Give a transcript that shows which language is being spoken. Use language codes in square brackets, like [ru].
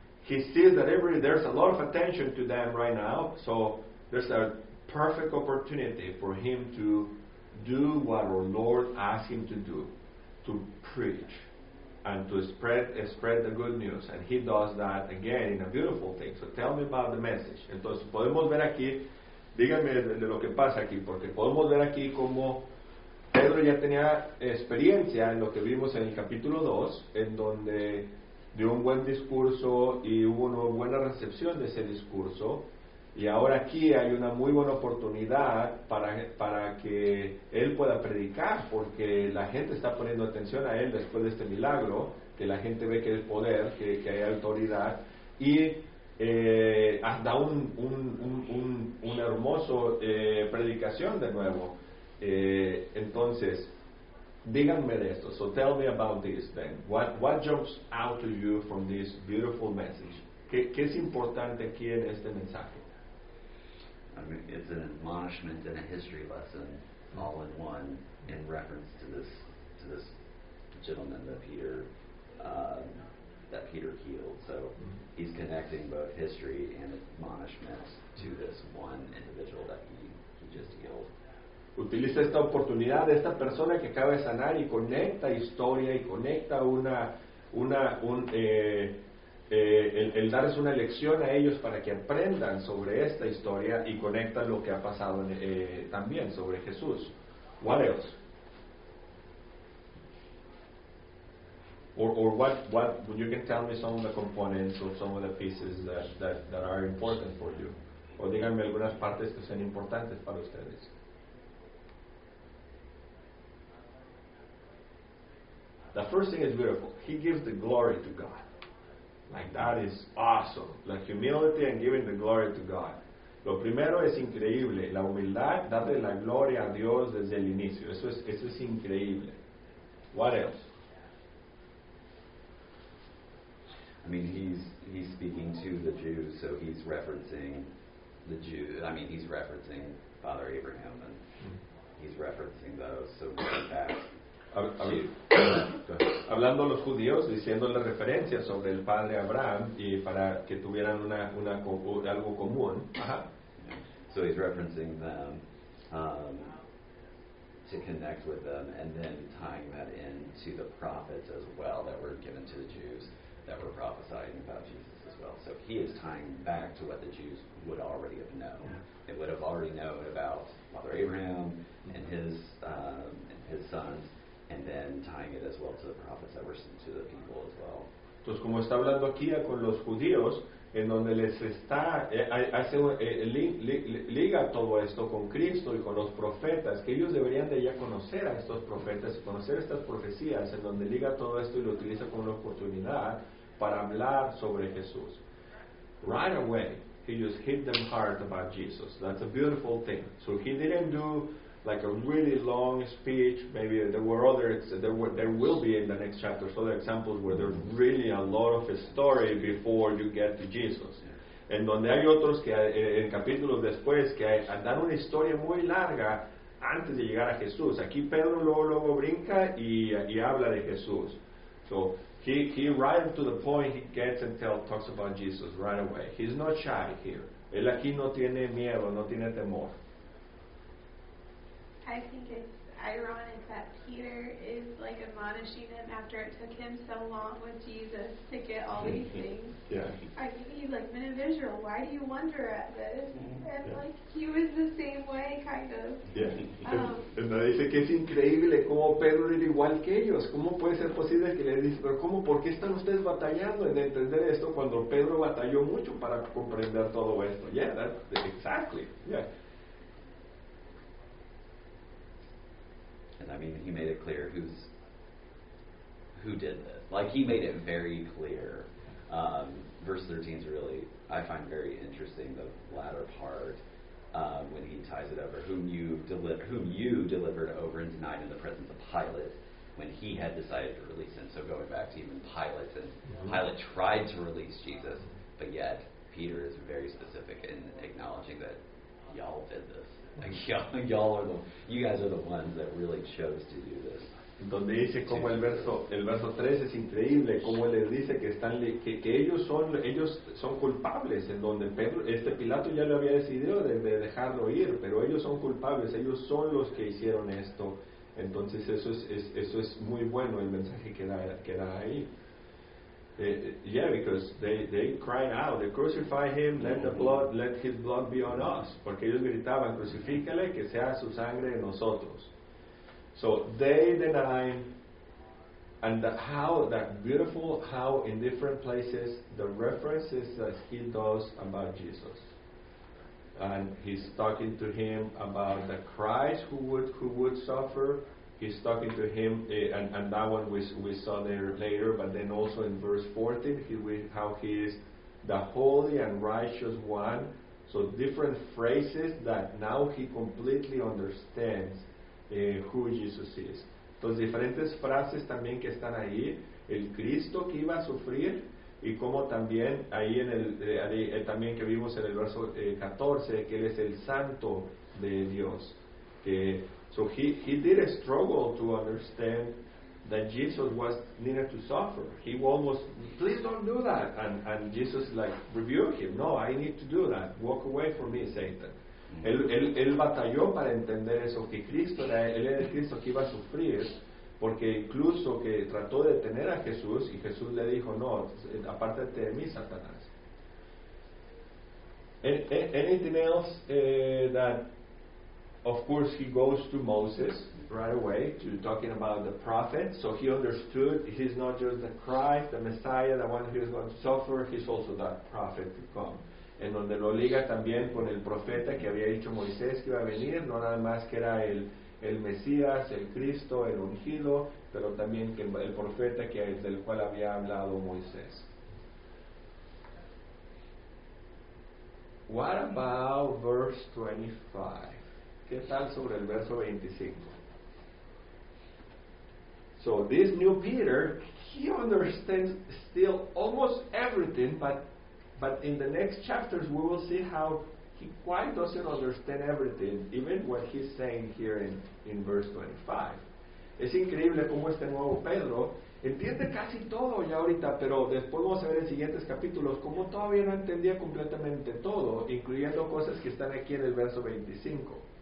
[en] He sees that there's a lot of attention to them right now, so there's a perfect opportunity for him to do what our Lord asked him to do, to preach and to spread the good news. And he does that again in a beautiful thing. So tell me about the message. [es] Entonces podemos ver aquí, díganme de lo que pasa aquí, porque podemos ver aquí como Pedro ya tenía experiencia en lo que vimos en el capítulo 2, en donde dio un buen discurso y hubo una buena recepción de ese discurso. Y ahora aquí hay una muy buena oportunidad para que él pueda predicar, porque la gente está poniendo atención a él después de este milagro, que la gente ve que hay poder, que hay autoridad, y da un hermoso predicación de nuevo. Entonces, díganme de esto. [en] So tell me about this then. What jumps out to you from this beautiful message? [es] ¿Qué es importante aquí en este mensaje? [en] I mean, it's an admonishment and a history lesson all in one in reference to this gentleman that Peter healed. So he's connecting both history and admonishment to this one individual that he just healed. [es] Utiliza esta oportunidad de esta persona que acaba de sanar y conecta historia y conecta el darles una lección a ellos para que aprendan sobre esta historia y conecta lo que ha pasado también sobre Jesús. [en] What else? Or what would you can tell me some of the components or some of the pieces that are important for you? [es] O díganme algunas partes que sean importantes para ustedes. [en] The first thing is beautiful. He gives the glory to God. Like, that is awesome. Like, humility and giving the glory to God. [es] Lo primero es increíble. La humildad, darle la gloria a Dios desde el inicio. Eso es increíble. [en] What else? I mean, he's speaking to the Jews, so he's referencing the Jews. I mean, he's referencing Father Abraham, and he's referencing those. So going back. [es] Hablando a los judíos, diciendo la referencia sobre el padre Abraham y para que tuvieran una algo común. [en] So he's referencing them to connect with them, and then tying that into the prophets as well that were given to the Jews that were prophesying about Jesus as well. So he is tying back to what the Jews would already have known. They would have already known about Father Abraham and his sons. And then tying it as well to the prophets that were sent to the people as well. [es] Entonces, como está hablando aquí con los judíos, en donde les está liga todo esto con Cristo y con los profetas, que ellos deberían de ya conocer a estos profetas y conocer estas profecías, en donde liga todo esto y lo utiliza como una oportunidad para hablar sobre Jesús. [en] Right away, he just hit them hard about Jesus. That's a beautiful thing. So he didn't do like a really long speech. Maybe there will be in the next chapter other examples where there's really a lot of a story before you get to Jesus. [es] En donde hay otros que en capítulos después que dan una historia muy larga antes de llegar a Jesús. Aquí Pedro luego brinca y habla de Jesús. [en] So he right to the point, he gets and talks about Jesus right away. He's not shy here. [es] Él aquí no tiene miedo, no tiene temor. [en] I think it's ironic that Peter is like admonishing him after it took him so long with Jesus to get all these things. Yeah. He's like, men of Israel, why do you wonder at this? And like, he was the same way, kind of. Yeah. [es] Y me dice que es increíble cómo Pedro era igual que ellos. ¿Cómo puede ser posible que le dice, pero cómo, por qué están ustedes batallando en entender esto cuando Pedro batalló mucho para comprender todo esto? [en] Yeah, that's exactly. Yeah. I mean, he made it clear who did this. Like, he made it very clear. Verse 13 is really, I find very interesting, the latter part, when he ties it over. Whom you delivered over and denied in the presence of Pilate when he had decided to release him. So going back to even Pilate, and Pilate tried to release Jesus, but yet Peter is very specific in acknowledging that y'all did this. You guys are the ones that really chose to do this. [es] Donde dice como el verso 3 es increíble, como él les dice que están que ellos son culpables, en donde Pilato ya lo había decidido de dejarlo ir, pero ellos son culpables, ellos son los que hicieron esto. Entonces eso es muy bueno el mensaje que da ahí. [en] Yeah, because they cried out, they crucify him, let his blood be on us. [es] Porque ellos gritaban, crucifícale, que sea su sangre en nosotros. [en] So they deny, and how in different places the references that he does about Jesus. And he's talking to him about the Christ who would suffer. He's talking to him, and that one we saw there later, but then also in verse 14, how he is the holy and righteous one. So different phrases that now he completely understands who Jesus is. [es] Entonces, diferentes frases también que están ahí, el Cristo que iba a sufrir, y como también ahí en el también que vimos en el verso 14, que él es el santo de Dios. [en] Que, so he did a struggle to understand that Jesus was needed to suffer. He almost, please don't do that. And Jesus like rebuked him. No, I need to do that. Walk away from me, Satan. Mm-hmm. [es] Él batalló para entender eso, que Cristo era, él era el Cristo que iba a sufrir. Porque incluso que trató de detener a Jesús, y Jesús le dijo, no, apártate de mí, Satanás. [en] Anything else that, of course, he goes to Moses right away, to talking about the prophet. So he understood he's not just the Christ, the Messiah, the one who is going to suffer, he's also that prophet to come. [es] En donde lo liga también con el profeta que había dicho Moisés que iba a venir, no nada más que era el Mesías, el Cristo, el ungido, pero también que el profeta que es del cual había hablado Moisés. [en] What about verse 25? [es] ¿Qué tal sobre el verso 25? [en] So this new Peter, he understands still almost everything, but in the next chapters we will see how he quite doesn't understand everything, even what he's saying here in verse 25. [es] Es increíble cómo este nuevo Pedro entiende casi todo ya ahorita, pero después vamos a ver en siguientes capítulos cómo todavía no entendía completamente todo, incluyendo cosas que están aquí en el verso 25.